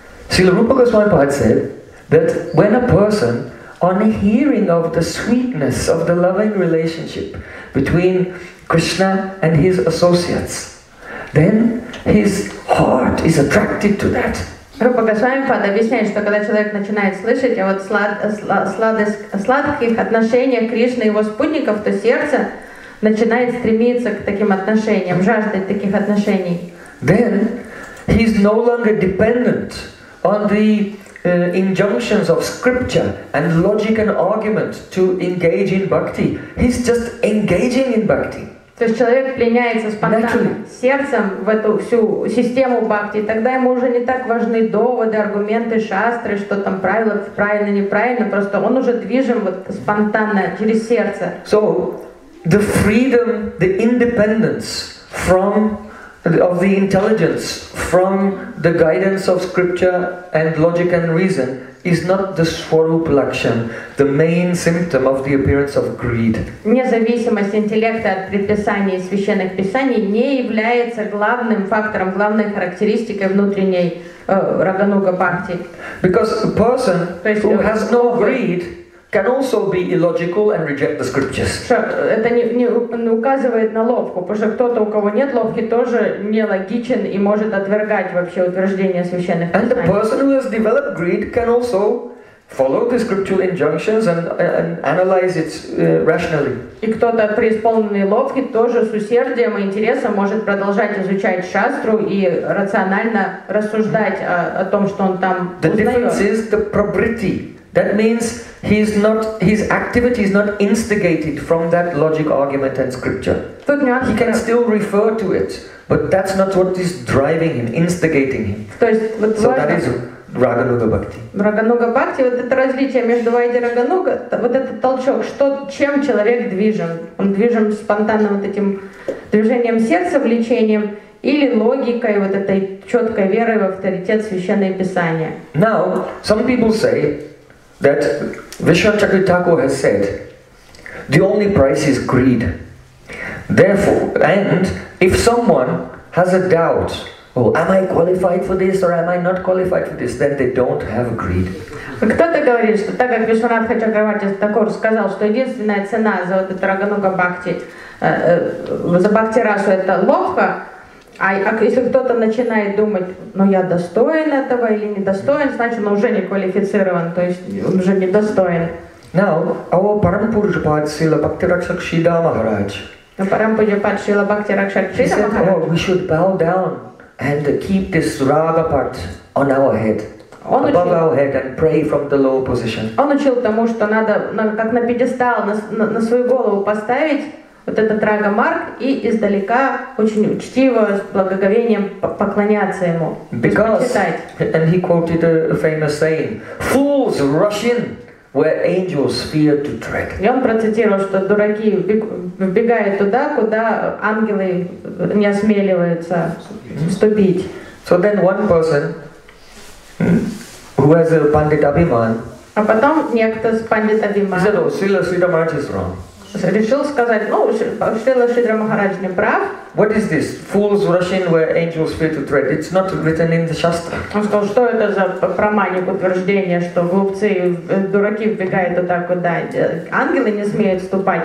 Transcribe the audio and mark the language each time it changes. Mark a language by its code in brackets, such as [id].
[en] Srila Rupa Goswami Pad said that when a person on hearing of the sweetness of the loving relationship between Krishna and his associates, then his heart is attracted to that. [ru] Rupa Goswami Pada объясняет, что когда человек начинает слышать о вот сладких отношениях Кришны и его спутников, то сердце начинает стремиться к таким отношениям, жаждать таких отношений. [en] Then he is no longer dependent on the injunctions of scripture and logic and argument to engage in bhakti. He's just engaging in bhakti. [ru] То есть человек пленяется спонтанно сердцем в эту всю систему бхакти, тогда ему уже не так важны доводы, аргументы, шастры, что там правило, правильно, неправильно, просто он уже движим вот спонтанно через сердце. [en] So, the freedom, the independence from of the intelligence, from the guidance of scripture and logic and reason, is not the swarup lakshan, the main symptom of the appearance of greed. [ru] Независимость интеллекта от предписаний священных писаний не является главным фактором, главной характеристикой внутренней Рагануга-Бхакти. [en] Because a person who has no greed can also be illogical and reject the scriptures. [ru] Это не указывает на ловку, потому что кто-то, у кого нет ловки, тоже нелогичен и может отвергать вообще утверждения священных писаний. [en] And the person who has developed greed can also follow the scriptural injunctions and analyze it rationally. [ru] И кто-то, преисполненный ловки, тоже с усердием и интересом может продолжать изучать шастру и рационально рассуждать о том, что он там узнает. [en] The difference is the prabriti. That means his activity is not instigated from that logic, argument, and scripture. He can still refer to it, but that's not what is driving him, instigating him. So that is Raganuga-Bhakti. [ru] Raganuga-Bhakti, вот это различие между Vaidhi и Raganuga, вот этот толчок, что, чем человек движим? Он движим спонтанно вот этим движением сердца, влечением, или логикой, вот этой четкой верой в авторитет Священное Писание. [en] Now, some people say that Vishwanath Chakravarti Thakur has said, the only price is greed. Therefore, and if someone has a doubt, oh, am I qualified for this or am I not qualified for this, then they don't have greed. [ru] Кто-то говорит, что так как Вишванатх Чакраварти Такур сказал, что единственная цена за вот это Рагануга Бхакти, за Бхакти Расу это ловко, а если кто-то начинает думать, ну я достоин этого или не достоин, значит он уже не квалифицирован, то есть он уже не достоин. [en] Now, our Парампуджапад Сила Бхакти Ракшак Шрида Махарадж. [ru] Парампуджапад Сила Бхакти Ракшак Шрида Махарадж. [en] Oh, we should bow down and keep this raga part on our head, [ru] он [en] above [ru] учил, [en] our head, and pray from the low position. [ru] Он учил тому, что надо как на пьедестал на свою голову поставить вот этот рага марг и издалека очень учтиво с благоговением поклоняться ему. [en] Because, and he quoted a famous saying, fools rush in where angels fear to tread. [ru] И он процитировал, что дураки вбегают туда, куда ангелы не осмеливаются вступить. [en] So then one person who has a Pandit Abhiman, [ru] а потом некто с Пандит Абхиман, [en] said, oh, Srila Sridhara Maharaj is wrong. [ru] Решил сказать, ну, Шрила Шридхара Махарадж не прав. [en] What is this? Fools rush in where angels fear to tread. It's not written in the Shastra. [ru] Он сказал, что это за проманник утверждение, что глупцы, дураки вбегают туда, куда ангелы не смеют вступать.